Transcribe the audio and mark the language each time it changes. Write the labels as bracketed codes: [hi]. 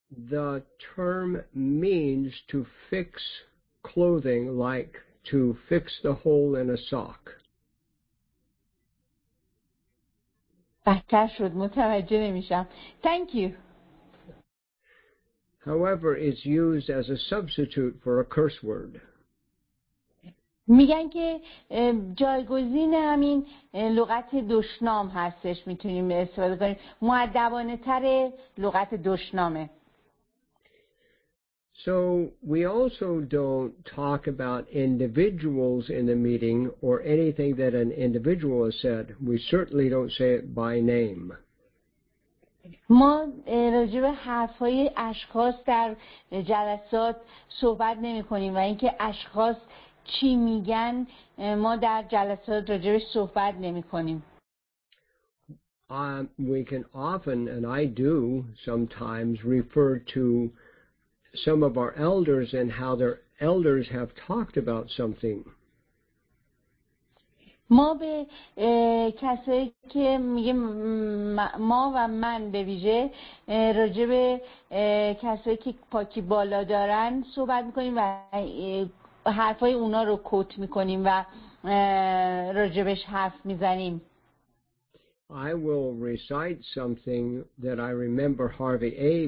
[en] The term means to fix clothing, like to fix the hole in a sock. [fa] بهتر شد. متوجه نمیشم. [en] Thank you. However, it's used as a substitute for a curse word. [fa] میگن که جایگزین همین لغت دشنام هستش، میتونیم استفاده کنیم. مؤدبانه‌تر لغت دشنامه. [en] So So we also don't talk about individuals in the meeting or anything that an individual has said. We certainly don't say it by name. [fa] ما راجع به حرف‌های اشخاص در جلسات صحبت نمی‌کنیم و اینکه اشخاص چی میگن ما در جلسات راجع به صحبت نمی‌کنیم. [en] We can often, and I do sometimes, refer to some of our elders and how their elders have talked about something. [fa] ما به کسایی که میگیم ما و من به ویژه راجع به کسایی که پاکی بالا دارن صحبت میکنیم و حرفای اونا رو کوت میکنیم و راجبش حرف میزنیم. [en] I will recite something that I remember Harvey A.